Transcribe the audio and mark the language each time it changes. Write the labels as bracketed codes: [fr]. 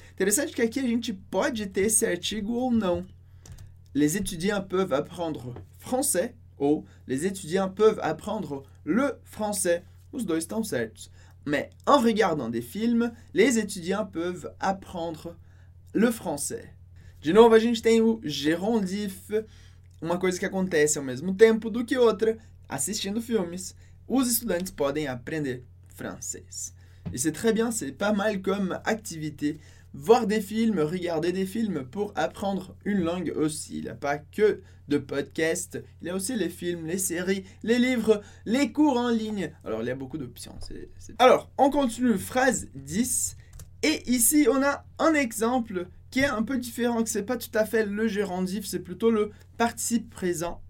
[pt] Interessante que aqui a gente pode ter esse artigo ou não. [fr] Les étudiants peuvent apprendre français, ou les étudiants peuvent apprendre le français. [pt] Os dois estão certos. [fr] Mais en regardant des films, les étudiants peuvent apprendre le français. [pt] De novo, a gente tem o gerúndio, uma coisa que acontece ao mesmo tempo do que outra, assistindo filmes. Os estudantes podem aprender francês. [fr] Et c'est très bien, c'est pas mal comme activité. Voir des films, regarder des films pour apprendre une langue aussi. Il n'y a pas que de podcasts, il y a aussi les films, les séries, les livres, les cours en ligne. Alors, il y a beaucoup d'options. Alors, on continue, phrase 10. Et ici, on a un exemple qui est un peu différent, que ce n'est pas tout à fait le gérondif, c'est plutôt le participe présent.